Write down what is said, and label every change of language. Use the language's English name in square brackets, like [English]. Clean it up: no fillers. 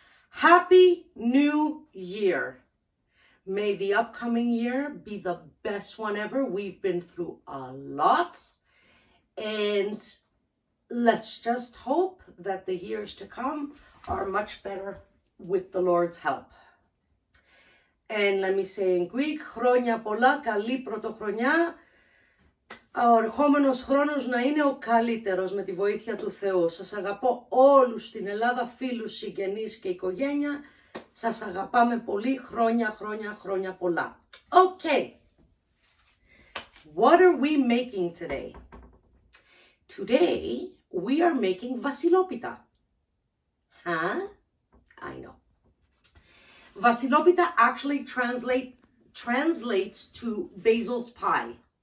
[English] Happy New Year. May the upcoming year be the best one ever. We've been through a lot. And let's just hope that the years to come are much better with the Lord's help. And let me say in Greek, [Greek] Chronia pola, kali protochronia, ο ερχόμενος χρόνος να είναι ο καλύτερος με τη βοήθεια του Θεού. Σας αγαπώ όλους στην Ελλάδα, φίλους, συγγενείς και οικογένεια. Σας αγαπάμε πολύ, χρόνια, χρόνια, χρόνια πολλά. [English] Okay. What are we making today? Today, we are making βασιλόπιτα. Huh? I know. Βασιλόπιτα actually translates to Basil's pie.